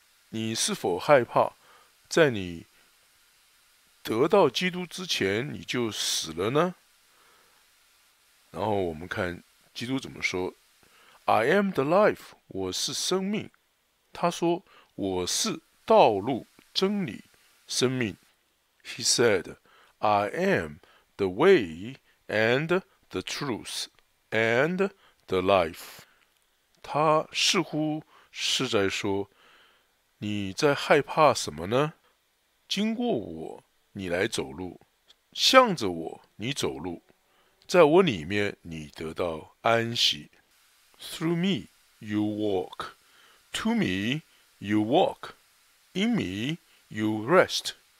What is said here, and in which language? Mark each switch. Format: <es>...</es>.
<zh>你是否害怕在你得到基督之前你就死了呢？然后我们看基督怎么说，</zh> <en>I am the life,</en> <zh>我是生命。他说我是道路、真理、生命。</zh> <en>He said, I am the way and the truth and the life。</en> <zh>他似乎是在说，你在害怕什么呢？经过我你来走路，向着我你走路，在我里面你得到安息。</zh> <en>Through me you walk, to me you walk, in me you rest。</en>